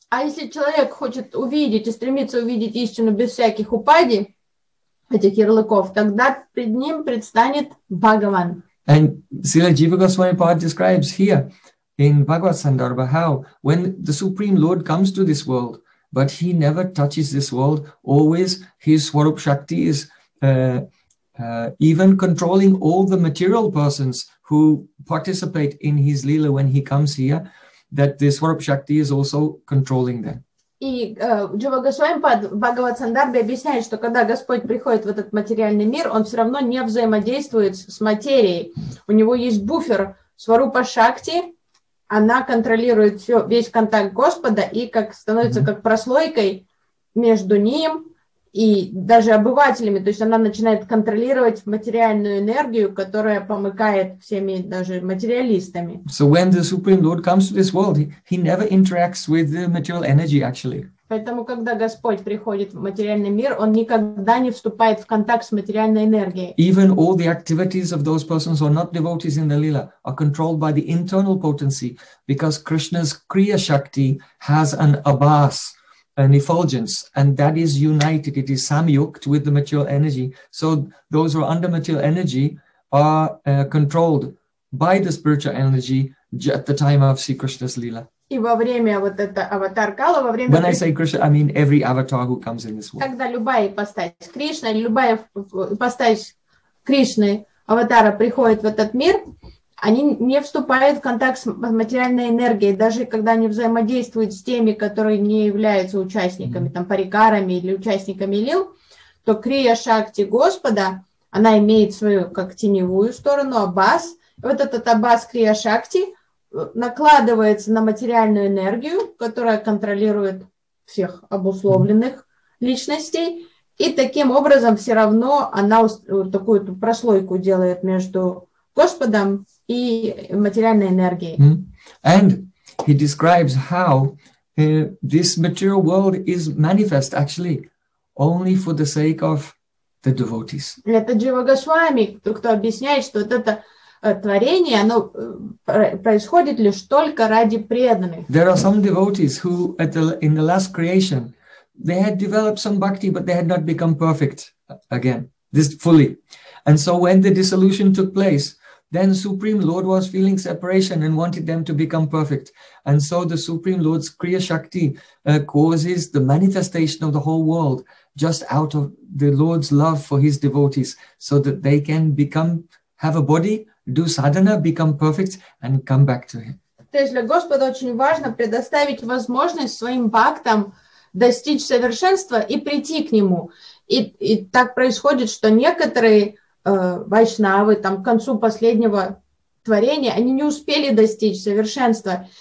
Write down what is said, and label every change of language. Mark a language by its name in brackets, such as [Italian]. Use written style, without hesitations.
[Russian] А если человек хочет увидеть и стремится увидеть истину без всяких упади, этих ярлыков, тогда пред ним предстанет Бхагаван. [English] And Srila Jiva Gosvami Pad describes here in Bhagavad Sandarbha, how when the Supreme Lord comes to this world, but he never touches this world, always his Swarup Shakti is even controlling all the material persons who participate in his Leela when he comes here, that the Swarup Shakti is also controlling them. [Russian] И Джива Госвами Пад в Бхагават Сандарбе объясняет, что когда Господь приходит в этот материальный мир, он все равно не взаимодействует с материей. У него есть буфер Сварупа Шакти. Она контролирует все, весь контакт Господа и как становится как прослойкой между ним и даже обывателями. То есть она начинает контролировать материальную энергию, которая помыкает всеми даже материалистами. [English] So when the Supreme Lord comes to this world, he never interacts with the material energy, actually. [Russian] Поэтому, когда Господь приходит в материальный мир, он никогда не вступает в контакт с материальной энергией. [English] Even all the activities of those persons who are not devotees in the Leela are controlled by the internal potency, because Krishna's Kriya Shakti has an abhas, an effulgence, and that is united, it is samyukt with the material energy. So those who are under material energy are controlled by the spiritual energy at the time of Sri Krishna's Leela. [Russian] И во время вот это аватар Кала, во время... [English] When I say Krishna, I mean every avatar who comes in this world. [Russian] Когда любая ипостась Кришна, любая ипостась Кришны, аватара, приходит в этот мир, они не вступают в контакт с материальной энергией, даже когда они взаимодействуют с теми, которые не являются участниками, там, парикарами или участниками лил, то Крия Шакти Господа, она имеет свою, как теневую сторону, абас. Вот этот абас Крия Шакти накладывается на материальную энергию, которая контролирует всех обусловленных личностей, и таким образом все равно она такую прослойку делает между Господом и материальной энергией. [English] And he describes how this material world is manifest actually only for the sake of the devotees. [Russian] Это Джива Госвами, кто объясняет, что вот это творение, оно происходит лишь только ради преданных. [English] There are some devotees who, in the last creation, they had developed some bhakti, but they had not become perfect again, this fully. And so when the dissolution took place, then Supreme Lord was feeling separation and wanted them to become perfect. And so the Supreme Lord's Kriya Shakti causes the manifestation of the whole world just out of the Lord's love for his devotees, so that they can become, have a body, do sadhana, become perfect, and come back to him. [Russian] То есть для Господа очень важно предоставить возможность своим бхактам достичь совершенства и прийти к нему. И так происходит, что некоторые вайшнавы там, к концу последнего творения, они не успели достичь совершенства.